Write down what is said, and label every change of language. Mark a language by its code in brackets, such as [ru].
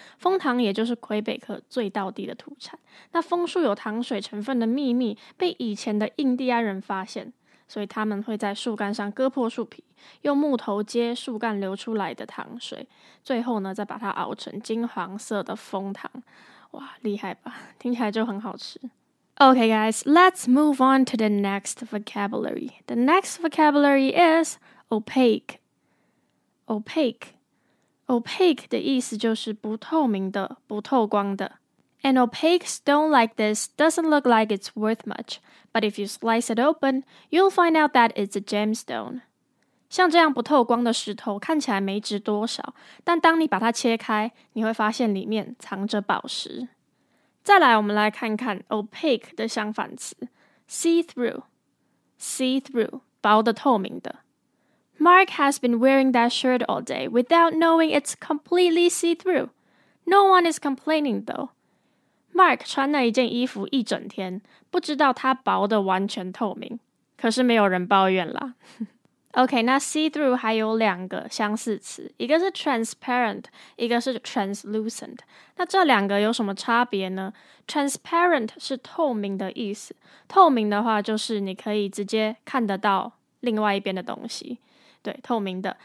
[zh] 枫糖也就是魁北克最道地的土产。那枫树有糖水成分的秘密被以前的印第安人发现，所以他们会在树干上割破树皮，用木头接树干流出来的糖水，最后呢再把它熬成金黄色的枫糖。哇，厉害吧，听起来就很好吃。 [en] Okay, guys, let's move on to the next vocabulary. The next vocabulary is opaque. Opaque. [zh] Opaque 的意思就是不透明的，不透光的。 [en] An opaque stone like this doesn't look like it's worth much, but if you slice it open, you'll find out that it's a gemstone. [zh] 像这样不透光的石头看起来没值多少，但当你把它切开，你会发现里面藏着宝石。再来，我们来看看 opaque 的相反词 see-through. See-through, 薄的透明的。 [en] Mark has been wearing that shirt all day without knowing it's completely see-through. No one is complaining, though. [zh] Mark 穿那一件衣服一整天，不知道它薄的完全透明，可是没有人抱怨啦。 OK, 那 see-through 还有两个相似词，一个是 transparent, 一个是 translucent。那这两个有什么差别呢？transparent 是透明的意思，透明的话就是你可以直接看得到另外一边的东西，对，透明的。